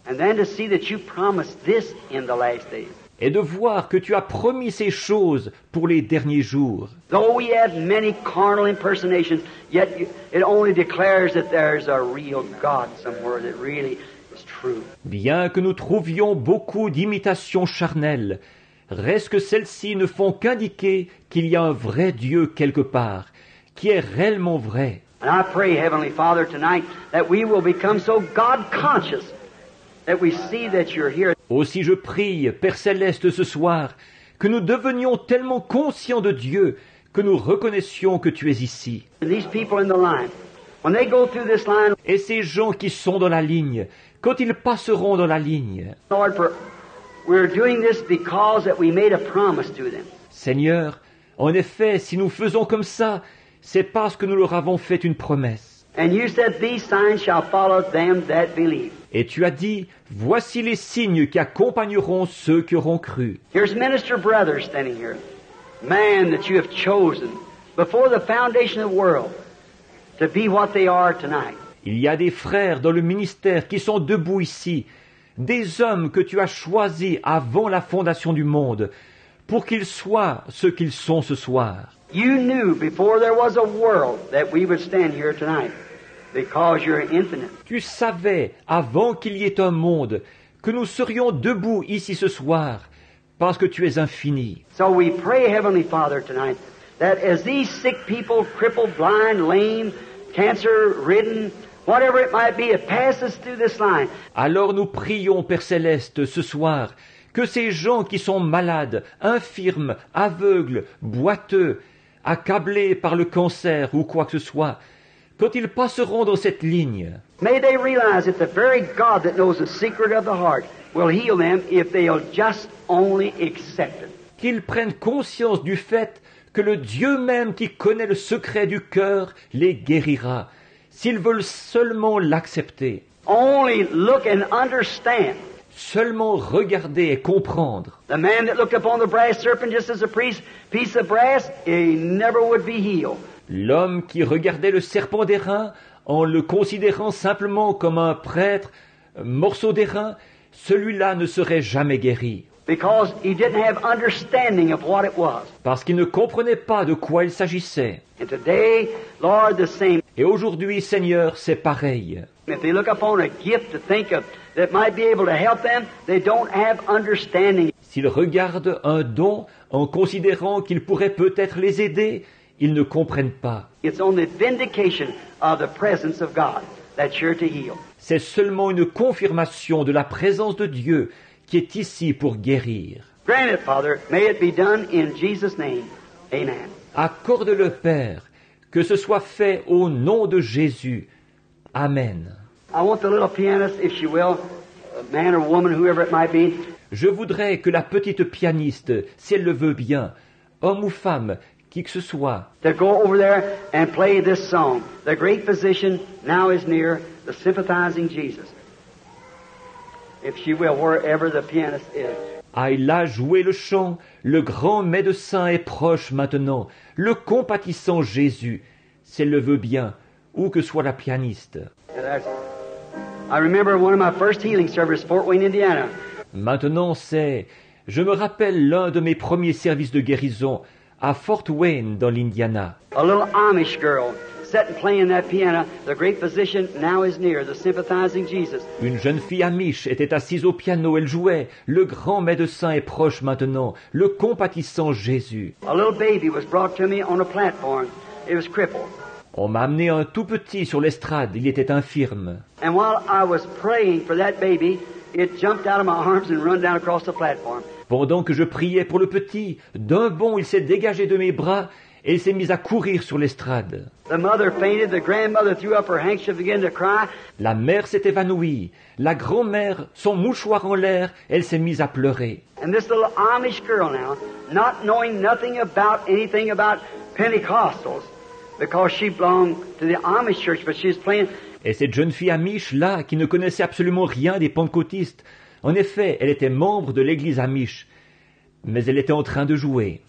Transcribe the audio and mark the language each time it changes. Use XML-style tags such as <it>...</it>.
<en>And then to see that you promised this in the last days.</en> <fr>Et de voir que tu as promis ces choses pour les derniers jours.</fr> <en>Though we have many carnal impersonations, yet it only declares that there's a real God somewhere that really is true.</en> <fr>Bien que nous trouvions beaucoup d'imitations charnelles, reste que celles-ci ne font qu'indiquer qu'il y a un vrai Dieu quelque part, qui est réellement vrai.</fr> <en>And I pray, Heavenly Father, tonight that we will become so God-conscious that we see that you're here.</en> <fr>Aussi je prie, Père Céleste, ce soir, que nous devenions tellement conscients de Dieu que nous reconnaissions que tu es ici.</fr> <en>And these people in the line, when they go through this line,</en> <fr>et ces gens qui sont dans la ligne, quand ils passeront dans la ligne,</fr> <en>Lord, we're doing this because that we made a promise to them.</en> <fr>Seigneur, en effet, si nous faisons comme ça, c'est parce que nous leur avons fait une promesse.</fr> <en>And you said these signs shall follow them that believe.</en> <fr>Et tu as dit, voici les signes qui accompagneront ceux qui auront cru.</fr> <en>Here's Minister Brother standing here, man that you have chosen before the foundation of the world to be what they are tonight.</en> <fr>Il y a des frères dans le ministère qui sont debout ici, des hommes que tu as choisis avant la fondation du monde pour qu'ils soient ce qu'ils sont ce soir.</fr> <en>You knew before there was a world that we would stand here tonight. Because you're infinite.</en> <fr>Tu savais, avant qu'il y ait un monde, que nous serions debout ici ce soir, parce que tu es infini.</fr> <en>So we pray, Heavenly Father, tonight, that as these sick people, crippled, blind, lame, cancer-ridden, whatever it might be, it passes through this line.</en> <fr>Alors nous prions, Père Céleste, ce soir, que ces gens qui sont malades, infirmes, aveugles, boiteux, accablés par le cancer ou quoi que ce soit, quand ils passeront dans cette ligne,</fr> <en>may they realize that the very God that knows the secret of the heart will heal them if they'll just only accept it.</en> <fr>Qu'ils prennent conscience du fait que le Dieu même qui connaît le secret du cœur les guérira s'ils veulent seulement l'accepter.</fr> <en>Only look and understand.</en> <fr>Seulement regarder et comprendre.</fr> <en>The man that looked upon the brass serpent just as a piece of brass, he never would be healed.</en> <fr>L'homme qui regardait le serpent d'airain en le considérant simplement comme un prêtre, morceau d'airain, celui-là ne serait jamais guéri.</fr> <en>Because he didn't have understanding of what it was.</en> <fr>Parce qu'il ne comprenait pas de quoi il s'agissait.</fr> <en>And today, Lord, the same.</en> <fr>Et aujourd'hui, Seigneur, c'est pareil.</fr> <en>If they look upon a gift to think of that might be able to help them, they don't have understanding.</en> <fr>S'ils regardent un don en considérant qu'il pourrait peut-être les aider, ils ne comprennent pas.</fr> <en>It's only vindication of the presence of God that's here to heal.</en> <fr>C'est seulement une confirmation de la présence de Dieu qui est ici pour guérir.</fr> <en>Grant it, Father, may it be done in Jesus' name. Amen.</en> <fr>Accorde-le, Père, que ce soit fait au nom de Jésus. Amen.</fr> <en>I want the little pianist, if she will, man or woman, whoever it might be.</en> <fr>Je voudrais que la petite pianiste, si elle le veut bien, homme ou femme, qui que ce soit,</fr> <en>to go over there and play this song. The great physician now is near, the sympathizing Jesus. If she will, wherever the pianist is.</en> <fr>Aille là jouer le chant. Le grand médecin est proche maintenant. Le compatissant Jésus, si elle le veut bien, où que soit la pianiste.</fr> <en>I remember one of my first healing services, Fort Wayne, Indiana.</en> <fr>Maintenant, c'est... Je me rappelle l'un de mes premiers services de guérison à Fort Wayne, dans l'Indiana.</fr> <en>A little Amish girl sat and playing that piano. The great physician now is near, the sympathizing Jesus.</en> <fr>Une jeune fille Amish était assise au piano. Elle jouait. Le grand médecin est proche maintenant. Le compatissant Jésus.</fr> <en>A little baby was brought to me on a platform. It was crippled.</en> <fr>On m'a amené un tout petit sur l'estrade. Il était infirme.</fr> <en>And while I was praying for that baby, it jumped out of my arms and ran down across the platform.</en> <fr>Pendant que je priais pour le petit, d'un bond, il s'est dégagé de mes bras et il s'est mis à courir sur l'estrade.</fr> <en>The mother fainted, the grandmother threw up her handkerchief, began to cry.</en> <fr>La mère s'est évanouie. La grand-mère, son mouchoir en l'air, elle s'est mise à pleurer.</fr> <en>And this little Amish girl now, not knowing nothing about anything about Pentecostals, because she belonged to the Amish church, but she's playing.</en> <fr>Et cette jeune fille Amish là, qui ne connaissait absolument rien des pentecôtistes, en effet, elle était membre de l'église Amish, mais elle était en train de jouer.</fr>